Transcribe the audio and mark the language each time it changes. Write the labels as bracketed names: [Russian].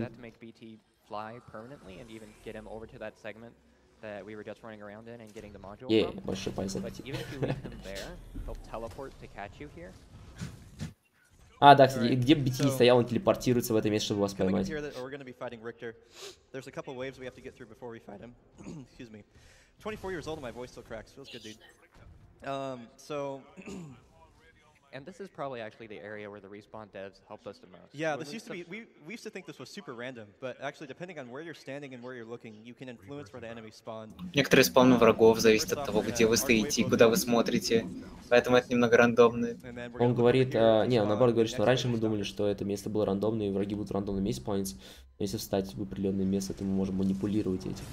[English] Does that make BT fly permanently and even get him over to that segment that we were just running around in and getting the module? [Russian] Yeah, большой пайс. [English] But even if you leave him there, he'll teleport to catch you here. [Russian] А, да, кстати, right. Где бы BT не стоял, он телепортируется в это место, чтобы вас поймать. [English] Here, we're going to be fighting Richter. There's a couple waves we have to get through before we fight him. Excuse me. 24 years old and my voice still cracks. Feels good, dude. So. And this is probably actually the area where the respawn devs helped us the most. Yeah, this used to be, we used to think this was super random, but actually depending on where you're standing and where you're looking, you can influence where the enemy spawn. [Russian] Некоторые спауны врагов зависят от того, где вы стоите и куда вы смотрите, поэтому это немного рандомно. Он говорит, наоборот говорит, что раньше мы думали, что это место было рандомное и враги будут в рандомном месте спауниться, но если встать в определенное место, то мы можем манипулировать этим.